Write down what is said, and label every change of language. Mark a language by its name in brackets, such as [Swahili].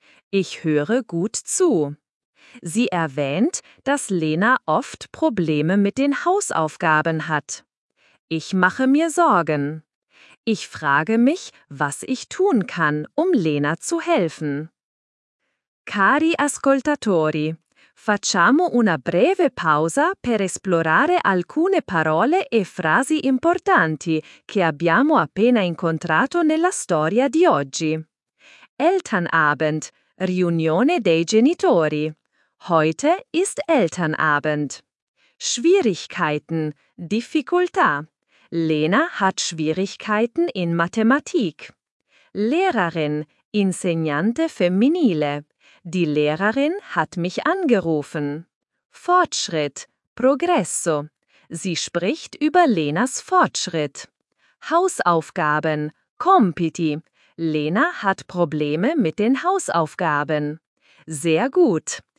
[German] Ich höre gut zu. Sie erwähnt, dass Lena oft Probleme mit den Hausaufgaben hat. Ich mache mir Sorgen. Ich frage mich, was ich tun kann, um Lena zu helfen. [Italian] Cari ascoltatori, facciamo una breve pausa per esplorare alcune parole e frasi importanti che abbiamo appena incontrato nella storia di oggi. Elternabend, riunione dei genitori. [German] Heute ist Elternabend. Schwierigkeiten, difficoltà. Lena hat Schwierigkeiten in Mathematik. [Italian] Lehrerin, insegnante femminile. [German] Die Lehrerin hat mich angerufen. Fortschritt, progresso. Sie spricht über Lenas Fortschritt. Hausaufgaben, compiti. Lena hat Probleme mit den Hausaufgaben. Sehr gut.